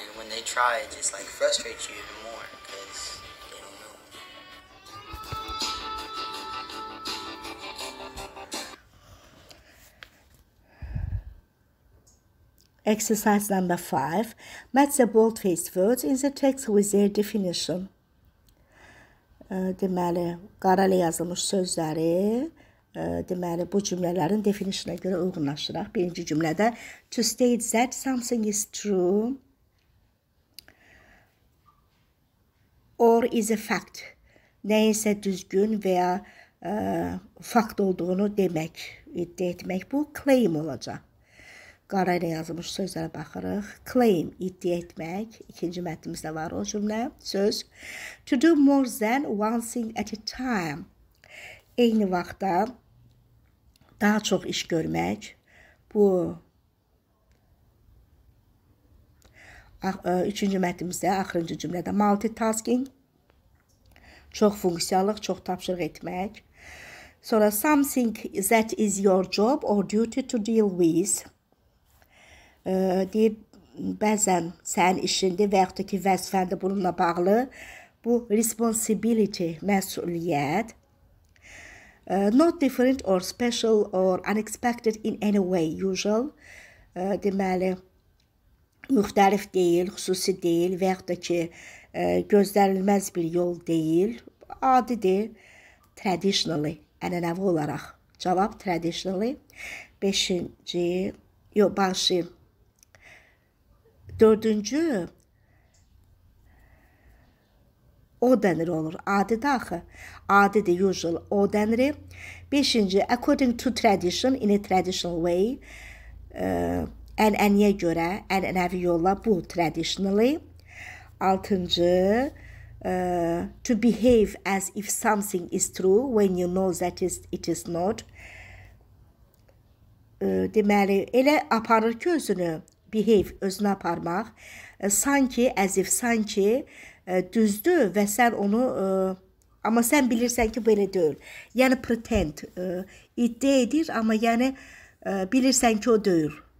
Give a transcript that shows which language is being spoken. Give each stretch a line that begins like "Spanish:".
English: And when they try, it just like frustrates you even more because they don't know. Exercise number 5. Match the bold-faced words in the text with their definition.
Azerbaijani: Deməli, qarayla yazılmış sözləri, deməli, bu cümlələrin definisiyona görə uyğunlaşdıraq. Birinci cümlədə,
English: to state that something is true or is a fact.
Azerbaijani: Nəyinsə düzgün və ya fakt olduğunu demək, iddia etmək. Bu claim olacaq. Qarayla yazılmış sözlərə baxırıq. Claim, iddia etmək. İkinci mətnimizdə var o cümlə. Söz.
English: To do more than one thing at a time.
Azerbaijani: Eyni vaxtda daha çox iş görmək. Bu. Üçüncü mətnimizdə, axırıncı cümlədə. Multitasking. Çox funksiyalıq, çox tapşırıq etmək. Sonra
English: something that is your job or duty to deal with.
Azerbaijani: Deyir, bəzən sənin işindir və yaxud da ki, vəzifəndir bununla bağlı. Bu, responsibility, məsuliyyət.
English: Not different or special or unexpected in any way, usual.
Azerbaijani: Deməli, müxtəlif deyil, xüsusi deyil və yaxud da ki, gözlənilməz bir yol deyil. Adidir, traditionally, ənənəvi olaraq. Cavab, traditionally. Beşinci, yox, başı. Dördüncü, O denir olur. Adi de axı. Adi de usual. O denir. Beşinci.
English: According to tradition. In a traditional way.
Azerbaijani: Ənəniyə görə. Ənənəvi yolla. Bu traditionally. Altıncı.
English: To behave as if something is true when you know that it is not.
Azerbaijani: Deməli, elə aparır ki özünü. Behave. Özünü aparmaq. Sanki.
English: As if.
Azerbaijani: Sanki. Düzdü və sən onu amma sən bilirsən ki belə deyil. Yəni pretend iddia edir amma yəni bilirsən ki o deyil.